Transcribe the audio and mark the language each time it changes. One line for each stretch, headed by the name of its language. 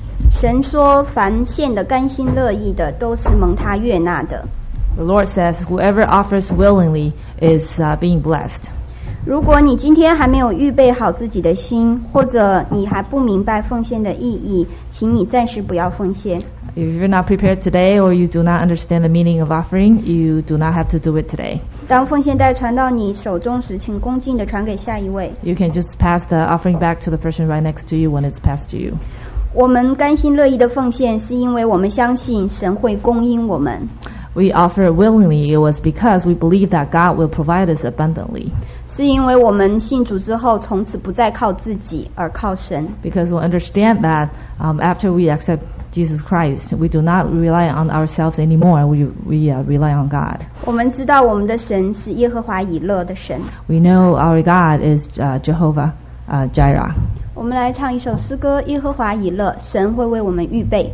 Chinese: 神说凡献的甘心乐意的，都是蒙他悦纳的。
English: The Lord says, whoever offers willingly is being blessed.
Chinese: 如果你今天还没有预备好自己的心，或者你还不明白奉献的意义，请你暂时不要奉献。
English: If you're not prepared today, or you do not understand the meaning of offering, you do not have to do it today.
Chinese: 当奉献袋传到你手中时，请恭敬地传给下一位。
English: You can just pass the offering back to the person right next to you when it's passed to you.
Chinese: 我们甘心乐意的奉献，是因为我们相信神会供应我们。
English: We offer willingly. It was because we believe that God will provide us abundantly.
Chinese: 是因为我们信主之后，从此不再靠自己，而靠神。
English: Because we understand that after we accept Jesus Christ, we do not rely on ourselves anymore. We rely on God.
Chinese: 我们知道我们的神是耶和华以勒的神。
English: We know our God is Jehovah Jireh.
Chinese: 我们来唱一首诗歌，耶和华以勒，神会为我们预备。